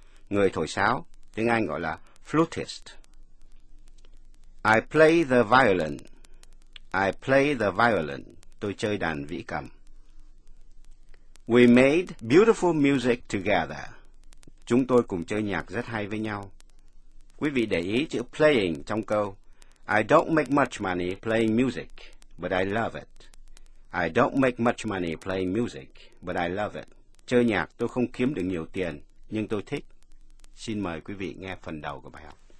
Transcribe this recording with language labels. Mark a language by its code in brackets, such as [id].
[vi] Người thổi sáo, tiếng Anh gọi là flutist. [en] I play the violin. I play the violin, [vi] tôi chơi đàn vĩ cầm. [en] We made beautiful music together. [vi] Chúng tôi cùng chơi nhạc rất hay với nhau. Quý vị để ý chữ playing trong câu. [en] I don't make much money playing music, but I love it. I don't make much money playing music, but I love it. [vi] Chơi nhạc tôi không kiếm được nhiều tiền, nhưng tôi thích. Xin mời quý vị nghe phần đầu của bài học.